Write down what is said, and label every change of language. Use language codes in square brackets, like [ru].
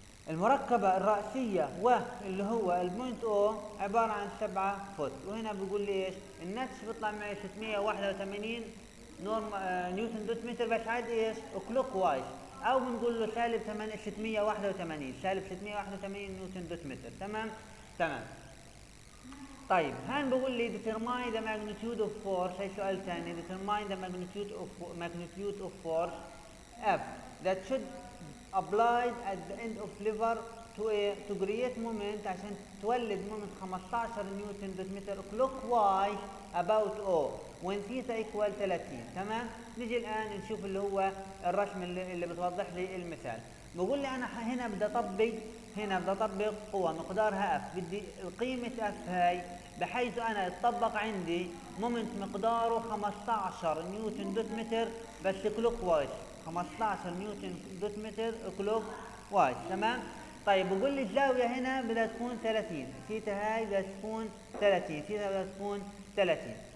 [ar] المركبه الراسيه واللي هو البوينت او عباره عن 7 فولت، وهنا بيقول لي ايش النتس بيطلع معي 681 نيوتن دوت متر، بس عاد ايش كلوك وايز، او بنقول له سالب 681 سالب 681 نيوتن دوت متر، تمام تمام. طيب هان بقول لي [en] determine the magnitude of force، [ar] هاي سؤال ثاني، [en] determine the magnitude of force F that should applied at the end of lever to create moment، [ar] عشان تولد [en] moment 15 newton per meter clockwise about O when theta equal 30، [ar] تمام؟ نجي الآن نشوف اللي هو الرسم اللي بتوضح لي المثال. بقول لي أنا هنا بدي أطبق، هنا بدي أطبق قوة مقدارها F، بدي قيمة F هاي بحيث انا اتطبق عندي مومنت مقداره 15 نيوتن دوت متر بس كلوك وايز، 15 نيوتن دوت متر كلوك وايز، تمام؟ طيب بقول لي الزاويه هنا بدها تكون 30، ثيتا هاي بدها تكون 30، ثيتا بدها تكون 30.